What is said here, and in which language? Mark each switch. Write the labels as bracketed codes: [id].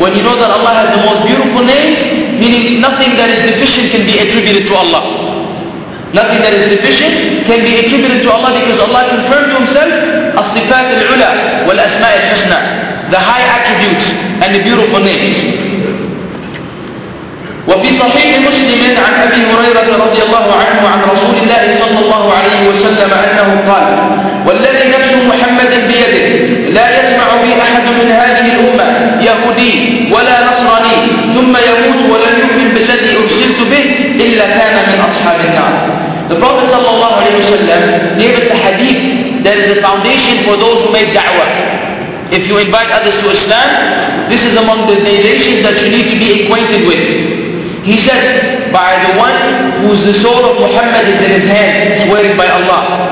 [en] When you know that Allah has the most beautiful names, meaning nothing that is deficient can be attributed to Allah. Nothing that is deficient can be attributed to Allah, because Allah confirmed to Himself as-sifat al-ula wal-asma' al-husna, the high attributes and the beautiful names. [ar] وفي صحيح مسلم عن أبي هريرة رضي الله عنه عن رسول الله صلى الله عليه وسلم أنه قال والذي نفس محمد بيده لا يسمع بي أحد من هذه الأمة يهودي ولا نصراني ثم يموت ولا يؤمن بالذي أرسلت به إلا كان من أصحاب النار. [en] The Prophet صلى الله عليه وسلم gave us a hadith that is a foundation for those who make da'wah. If you invite others to Islam, this is among the narrations that you need to be acquainted with. He said, by the one whose the soul of Muhammad is in his hand, swearing by Allah.